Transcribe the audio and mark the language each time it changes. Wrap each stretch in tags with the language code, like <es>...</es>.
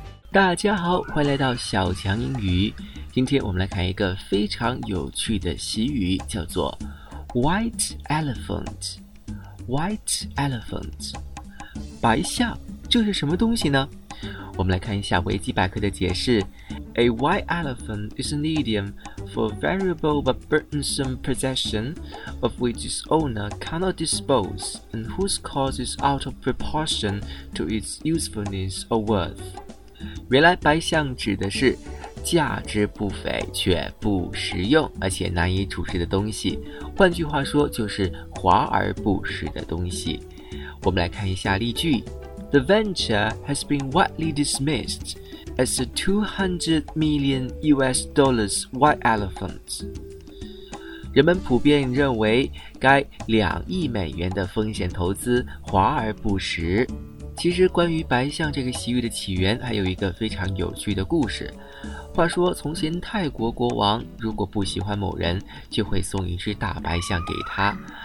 <zh>大家好，欢迎来到小强英语。今天我们来看一个非常有趣的习语，叫做 White Elephant。 White Elephant， 白象，这是什么东西呢？我们来看一下维基百科的解释。</zh> <en>A white elephant is an idiom for a valuable but burdensome possession of which its owner cannot dispose and whose cause is out of proportion to its usefulness or worth。</en> <zh>原来白象指的是价值不菲却不实用而且难以处置的东西，换句话说就是华而不实的东西。我们来看一下例句。</zh> <en>The venture has been widely dismissed as a $200 million white elephant.</en> <zh>人们普遍认为该2亿美元的风险投资华而不实。其实关于白象这个习语的起源还有一个非常有趣的故事。话说从前泰国国王如果不喜欢某人，就会送一只大白象给他。</zh>